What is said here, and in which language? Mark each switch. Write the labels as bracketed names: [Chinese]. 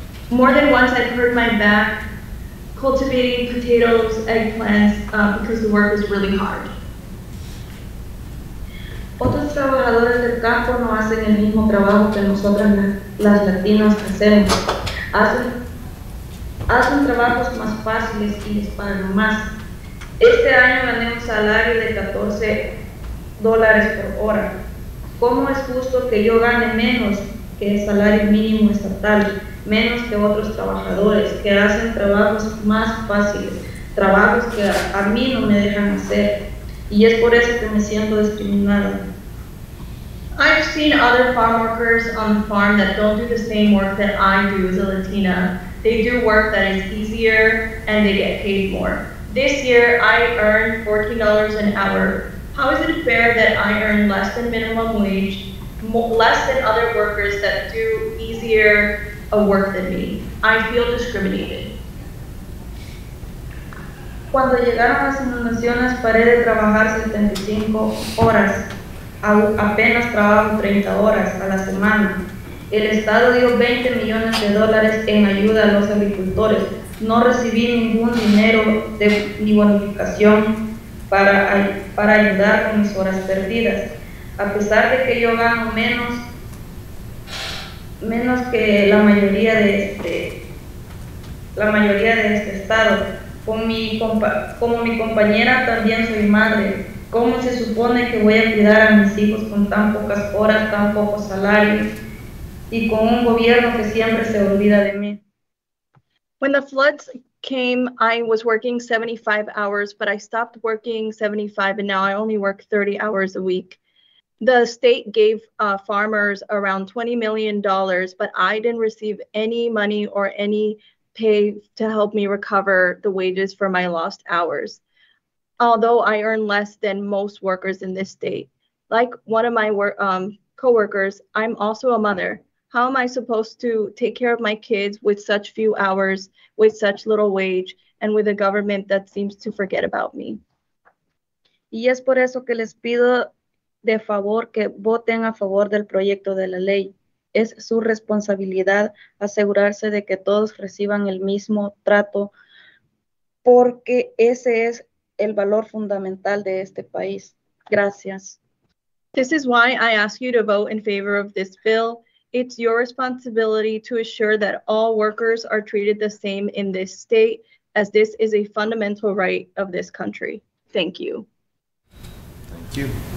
[English] More than once, I've hurt my back cultivating potatoes, eggplants, because the work is really hard. [Spanish] Otros trabajadores del campo no hacen el mismo trabajo que nosotras las latinas hacemos. Hacen trabajos más fáciles y les pagan más. Este año gané un salario de $14 por hora. ¿Cómo es justo que yo gane menos que el salario mínimo estatal, menos que otros trabajadores que hacen trabajos más fáciles, trabajos que a mí no me dejan hacer? Y es por eso que me siento discriminada. [English] I've seen other farm workers on the farm that don't do the same work that I do as a Latina. They do work that is easier and they get paid more. This year, I earned $14 an hour. How is it fair that I earn less than minimum wage, less than other workers that do easier work than me? I feel discriminated. [Spanish] Cuando llegaron las inundaciones, paré de trabajar 75 horas. Apenas trabajo 30 horas a la semana. El Estado dio $20 millones en ayuda a los agricultores. No recibí ningún dinero ni bonificación para ayudar con mis horas perdidas. A pesar de que yo gano menos que la mayoría de este Estado, como mi compañera también soy madre, ¿cómo se supone que voy a cuidar a mis hijos con tan pocas horas, tan pocos salarios y con un gobierno que siempre se olvida de mí? [English] When the floods came, I was working 75 hours, but I stopped working 75 and now I only work 30 hours a week. The state gave farmers around $20 million, but I didn't receive any money or any pay to help me recover the wages for my lost hours, although I earn less than most workers in this state. Like one of my coworkers, I'm also a mother. How am I supposed to take care of my kids with such few hours, with such little wage, and with a government that seems to forget about me? [Spanish] Y es por eso que les pido de favor que voten a favor del proyecto de la ley. Es su responsabilidad asegurarse de que todos reciban el mismo trato, porque ese es el valor fundamental de este país. Gracias. [English] This is why I ask you to vote in favor of this bill. It's your responsibility to assure that all workers are treated the same in this state, as this is a fundamental right of this country. Thank you. Thank you.